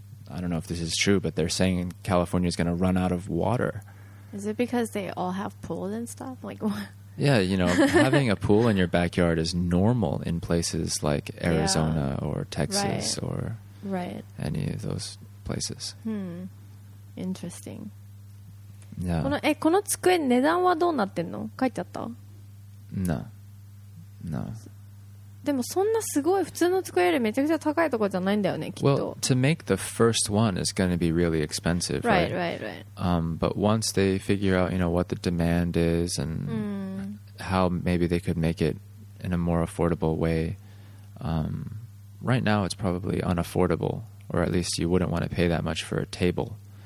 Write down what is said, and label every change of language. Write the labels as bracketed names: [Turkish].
[English] I don't know if this is true, but they're saying California is gonna run out of water. Is it because they all have pools and stuff? Like what? Yeah, you know, having a pool in your backyard is normal in places like Arizona or Texas or any of those places. Interesting. Yeah. [Japanese] この机値段はどうなってんの？書いてあった？ [English] No. No. [Japanese] でもそんなすごい普通の机よりめちゃくちゃ高いとこじゃないんだよね、きっと。 [English] Well, to make the first one is going to be really expensive, right? But once they figure out, you know, what the demand is and how maybe they could make it in a more affordable way. Right now it's probably unaffordable, or at least you wouldn't want to pay that much for a table.